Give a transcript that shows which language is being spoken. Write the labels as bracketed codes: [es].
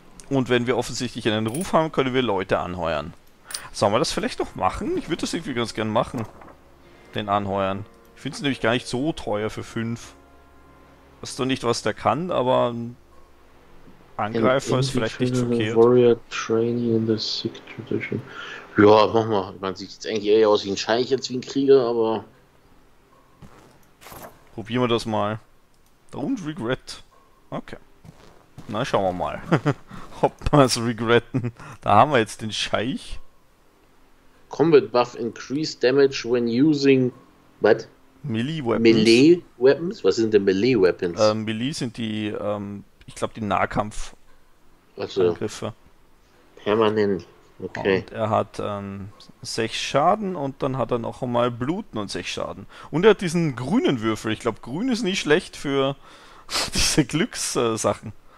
[de] Und wenn wir offensichtlich einen Ruf haben, können wir Leute anheuern. Sollen wir das vielleicht noch machen? Ich würde das irgendwie ganz gern machen. Den anheuern. Ich finde es nämlich gar nicht so teuer für 5. Weißt du nicht, was der kann, aber Angreifer ist vielleicht nicht verkehrt. [en] Warrior Training in the Sikh Tradition. [de] Ja, mach mal. Man sieht jetzt eigentlich eher aus wie ein Scheich als wie ein Krieger, aber. Probieren wir das mal. [en] Don't regret. [de] Okay. Na, schauen wir mal. Ob wir es regretten. Da haben wir jetzt den Scheich. [en] Combat Buff increase damage when using. What? Melee Weapons. Melee Weapons? [de] Was sind denn Melee Weapons? Melee sind die. Ich glaube, die Nahkampf. Also. Angriffe. Permanent. Okay. Und er hat 6 Schaden und dann hat er noch einmal Bluten und 6 Schaden. Und er hat diesen grünen Würfel. Ich glaube, grün ist nicht schlecht für diese Glückssachen.